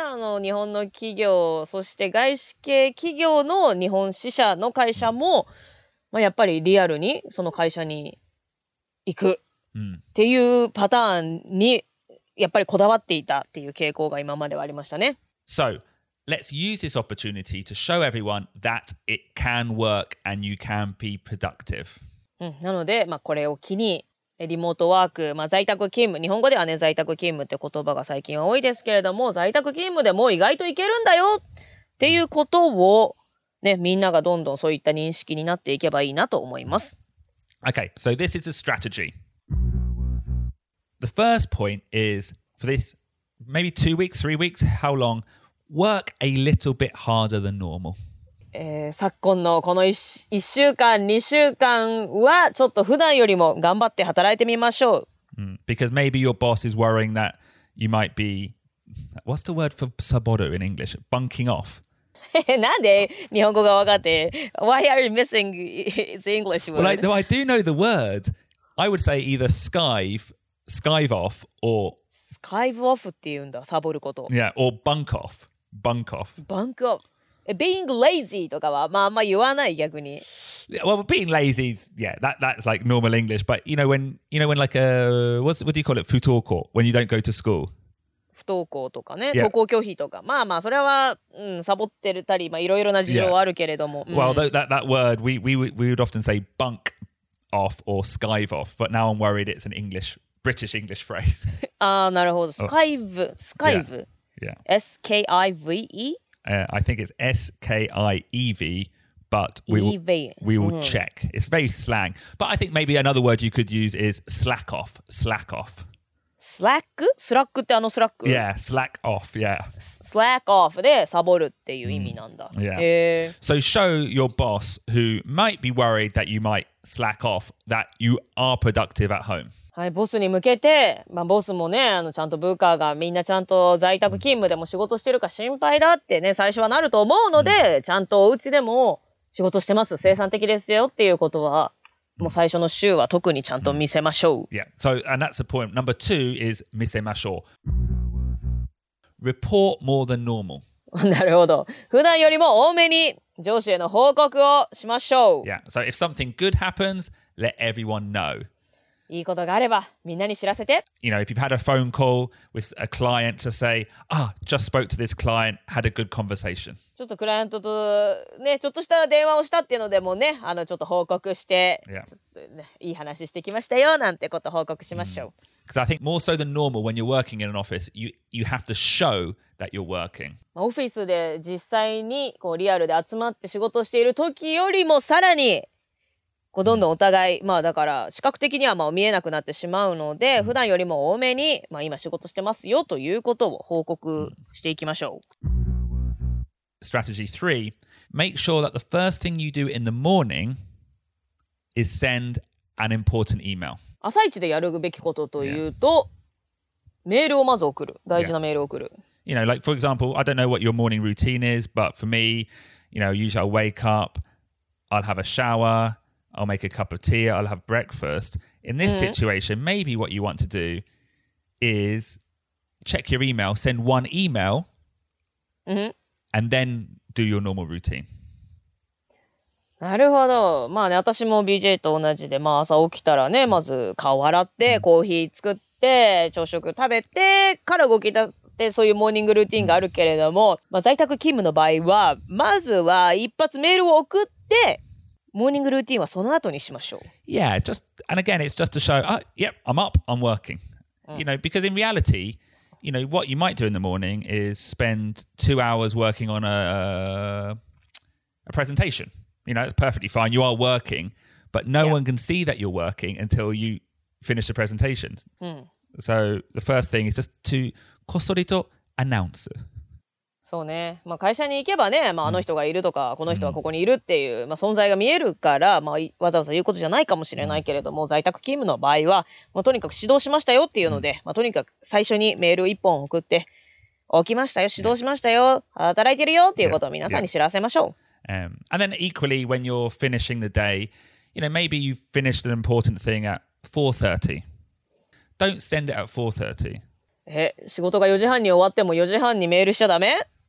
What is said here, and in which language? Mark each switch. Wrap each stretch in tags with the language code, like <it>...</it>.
<ja>あの、日本の企業、そして外資系企業の日本支社の会社も、まあ、やっぱりリアルにその会社に行くっていうパターンにやっぱりこだわっていたっていう傾向が今まではありましたね。</ja> <en>So, let's use this opportunity to show everyone that it can work and you can be productive.</en> <ja>うん、なので、まあ、これを機にリモートワーク、まあ、在宅勤務、日本語ではね在宅勤務って言葉が最近は多いですけれども、在宅勤務でも意外といけるんだよっていうことを、ね、みんながどんどんそういった認識になっていけばいいなと思います。</ja> <en>Okay, so this is a strategy. The first point is for this maybe 2 weeks, 3 weeks, how long, work a little bit harder than normal.</en> <ja>昨今のこの 1週間、2週間はちょっと普段よりも頑張って働いてみましょう。</ja> <en>Because maybe your boss is worrying that you might be... What's the word for saboru in English? Bunking off.</en> <ja>なんで日本語が分かって</ja> <en>Why are you missing the English word? Well, like, though I do know the word, I would say either skive off or... Skive off</en> <ja>っていうんだ、サボること。</ja> <en>Yeah, or bunk off. Bunk off.</en> <ja>Bunk off.</ja> <en>Being lazy</en> <ja>とかは、まあ、あんま言わない逆に。</ja> <en>Well, being lazy is, yeah, that's like normal English. But you know when like a, what do you call it? 不登校 when you don't go to school.</en> <ja>不登校とかね、yeah. 登校拒否とか。まあまあ、それは、うん、サボってるたり、まあ、いろいろな事情はあるけれども。 Yeah.</ja> <en>Well, that word, we would often say bunk off or skive off. But now I'm worried it's an English, British English phrase.</en> <ja>ああ、なるほど。Skive, skive. Yeah.</ja> <en>S-K-I-V-E? I think it's S-K-I-E-V, but we will check. It's very slang. But I think maybe another word you could use is slack off. Slack off.</en> <ja>Slack? Slack ってあのスラック?</ja> <en>Yeah, slack off, yeah.</en> <ja>Slack off でサボるっていう意味なんだ。 Yeah.</ja> <en>So show your boss who might be worried that you might slack off that you are productive at home.</en> <ja>はい、ボスに向けて、まあ、ボスもね、あのちゃんと部下がみんなちゃんと在宅勤務でも仕事してるか心配だってね、最初はなると思うので、ちゃんとお家でも仕事してます、生産的ですよっていうことは、もう最初の週は特にちゃんと見せましょう。</ja> <en>Yeah, so, and that's the point. Number two is</en> <ja>見せましょう。</ja> <en>Report more than normal.</en> <ja>なるほど。普段よりも多めに上司への報告をしましょう。</ja> <en>Yeah, so if something good happens, let everyone know.</en> <ja>いいことがあればみんなに知らせて。</ja> <en>You know, if you've had a phone call with a client to say, ah, just spoke to this client, had a good conversation.</en> <ja>ちょっとクライアントとね、ちょっとした電話をしたっていうのでもね、あのちょっと報告して、 yeah. ちょっとね、いい話してきましたよなんてこと報告しましょう。</ja> <en>Because I think more so than normal when you're working in an office, you have to show that you're working.</en> <ja>オフィスで実際にこうリアルで集まって仕事している時よりもさらに、こうどんどんお互い、まあだから視覚的にはまあ見えなくなってしまうので、普段よりも多めに、まあ今仕事してますよということを報告していきましょう。</ja> <en>Strategy 3. Make sure that the first thing you do in the morning is send an important email.</en> <ja>朝一でやるべきことというと、メールをまず送る。大事なメールを送る。</ja> <en>You know, like for example, I don't know what your morning routine is, but for me, you know, usually I wake up, I'll have a shower,I'll make a cup of tea, I'll have breakfast. In this situation, maybe what you want to do is check your email, send one email, and then do your normal routine.</en> <ja>なるほど。まあね、私も BJ と同じで、まあ朝起きたらね、まず顔洗って、コーヒー作って、朝食食べてから動き出す。でそういうモーニングルーティーンがあるけれども、まあ在宅勤務の場合は、まずは一発メールを送って、モーニングルーティーンはその後にしましょう。</ja> <en>Yeah, just, and again, it's just to show, yep, I'm up, I'm working.、うん、you know, because in reality, you know, what you might do in the morning is spend 2 hours working on a presentation. You know, it's perfectly fine. You are working, but no、yeah. one can see that you're working until you finish the presentation.、うん、 so the first thing is just to こっそりと announce.</en> <ja>そうね、まあ、会社に行けばね、まあ、あの人がいるとか、うん、この人はここにいるっていう、まあ、存在が見えるから、まあ、わざわざ言うことじゃないかもしれないけれども、うん、在宅勤務の場合は、まあ、とにかく指導しましたよっていうので、うんまあ、とにかく最初にメール1本送って起きましたよ指導しましたよ、ね、働いてるよっていうことを皆さんに知らせましょう、</ja> <en>yeah. And then equally when you're finishing the day you know, maybe you've finished an important thing at 4:30. Don't send it at 4:30.</en> <ja>え、仕事が4時半に終わっても4時半にメールしちゃダメ?</ja>